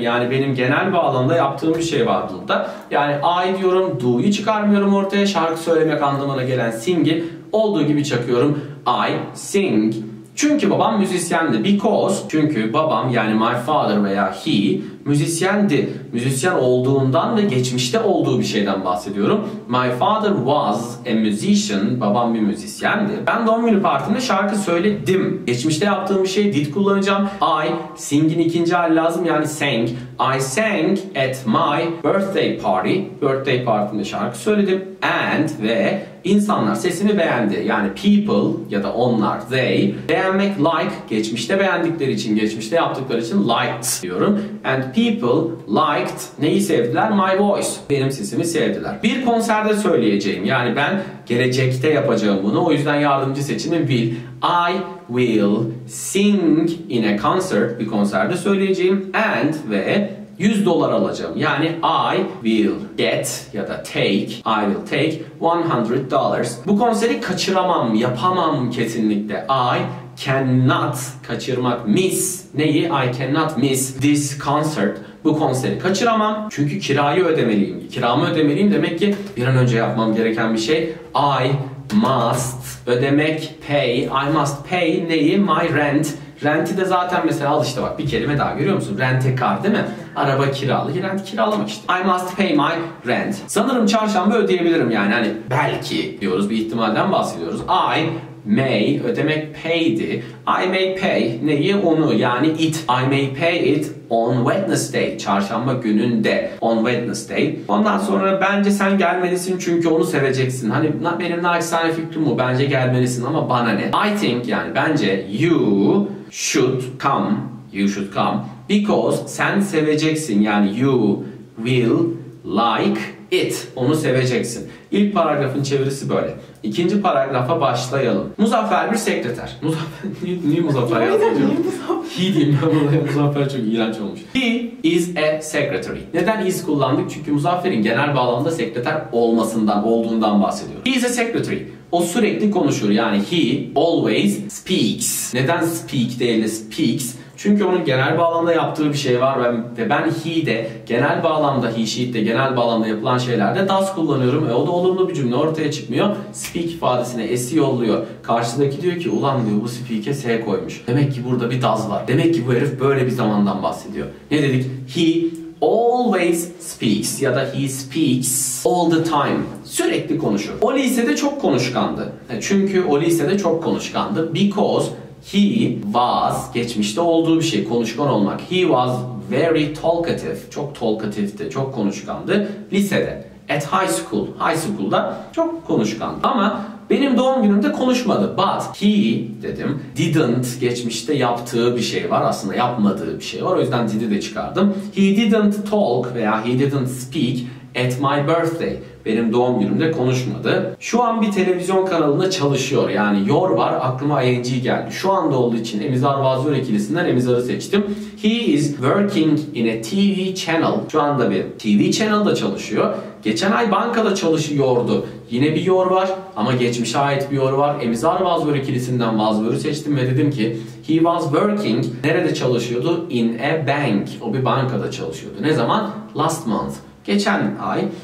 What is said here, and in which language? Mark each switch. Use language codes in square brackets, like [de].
[tr] Yani benim genel bağlamda yaptığım bir şey var burada. Yani I diyorum, do'yu çıkarmıyorum ortaya. Şarkı söylemek anlamına gelen sing'i olduğu gibi çakıyorum. [en] I sing. [tr] Çünkü babam müzisyendi. Because, çünkü babam, yani [en] my father [tr] veya he müzisyendi. Müzisyen olduğundan ve geçmişte olduğu bir şeyden bahsediyorum. [en] My father was a musician. [tr] Babam bir müzisyendi. Ben doğum günü partimde şarkı söyledim. Geçmişte yaptığım bir şey did kullanacağım. I, sing'in ikinci hali lazım, yani sang. [en] I sang at my birthday party. [tr] Birthday partimde şarkı söyledim. And ve insanlar sesimi beğendi. Yani people ya da onlar, they. Beğenmek like, geçmişte beğendikleri için, geçmişte yaptıkları için liked diyorum. [en] And people liked, [tr] neyi sevdiler? [en] My voice. [tr] Benim sesimi sevdiler. Bir konserde söyleyeceğim. Yani ben gelecekte yapacağım bunu. O yüzden yardımcı seçimi will. [en] I will sing in a concert. [tr] Bir konserde söyleyeceğim. And ve $100 alacağım. [en] Yani I will get [tr] ya da [en] take, I will take $100. [tr] Bu konseri kaçıramam, yapamam kesinlikle. [en] I cannot kaçırmak, miss. [tr] Neyi? [en] I cannot miss this concert. [tr] Bu konseri kaçıramam. Çünkü kirayı ödemeliyim. Kiramı ödemeliyim demek ki bir an önce yapmam gereken bir şey. [en] I must ödemek, pay. I must pay [tr] neyi? [en] My rent. [tr] Rent'i de zaten mesela al işte bak, bir kelime daha görüyor musun? Rent-a-car değil mi? Araba kiralı, rent kiralamak işte. [en] I must pay my rent. [tr] Sanırım çarşamba ödeyebilirim, yani hani belki diyoruz, bir ihtimalden bahsediyoruz. [en] I may ödemek pay'di. I may pay [tr] neyi? Onu, yani it. [en] I may pay it on Wednesday. [tr] Çarşamba gününde. [en] On Wednesday. [tr] Ondan sonra bence sen gelmelisin çünkü onu seveceksin. Hani benim naçizane fikrim bu. Bence gelmelisin ama bana ne? [en] I think, [tr] yani bence, [en] you should come. You should come. [tr] Because sen seveceksin. Yani [en] you will like it. [tr] Onu seveceksin. İlk paragrafın çevirisi böyle. İkinci paragrafa başlayalım. Muzaffer bir sekreter. Niye Muzaffer yazıyorum? He diyeyim ben buna. Muzaffer çok iğrenç olmuş. [en] He is a secretary. [tr] Neden is kullandık? Çünkü Muzaffer'in genel bağlamda sekreter olmasından, olduğundan bahsediyor. [en] He is a secretary. [tr] O sürekli konuşur. [en] Yani he always speaks. [tr] Neden speak değil de speaks? Çünkü onun genel bağlamda yaptığı bir şey var ve ben he'de genel bağlamda, he she'de genel bağlamda yapılan şeylerde does kullanıyorum. O da olumlu bir cümle ortaya çıkmıyor. Speak ifadesine s'i yolluyor. Karşıdaki diyor ki ulan diyor, bu speak'e s koymuş. Demek ki burada bir does var. Demek ki bu herif böyle bir zamandan bahsediyor. Ne dedik? [en] He always speaks ya da he speaks all the time. [tr] Sürekli konuşur. O lisede çok konuşkandı. Çünkü o lisede çok konuşkandı. [en] Because he was, [tr] geçmişte olduğu bir şey, konuşkan olmak. [en] He was very talkative. Çok talkative'di, [tr] çok konuşkandı. Lisede, [en] at high school. [tr] High school'da çok konuşkandı. Ama benim doğum günümde konuşmadı. [en] But he, [tr] dedim, didn't, geçmişte yaptığı bir şey var. Aslında yapmadığı bir şey var. O yüzden did'i de çıkardım. [en] He didn't talk veya he didn't speak at my birthday. [tr] Benim doğum günümde konuşmadı. Şu an bir televizyon kanalında çalışıyor. Yani your var, aklıma ing geldi. Şu anda olduğu için Emizar Vazör ikilisinden Emizar'ı seçtim. [en] He is working in a TV channel. [tr] Şu anda bir TV channel'da çalışıyor. Geçen ay bankada çalışıyordu. Yine bir your var ama geçmişe ait bir your var. Emizar Vazör ikilisinden Vazör'ü seçtim ve dedim ki [en] he was working, [tr] nerede çalışıyordu? [en] In a bank. [tr] O bir bankada çalışıyordu. Ne zaman? [en] Last month. [tr] Geçen ay.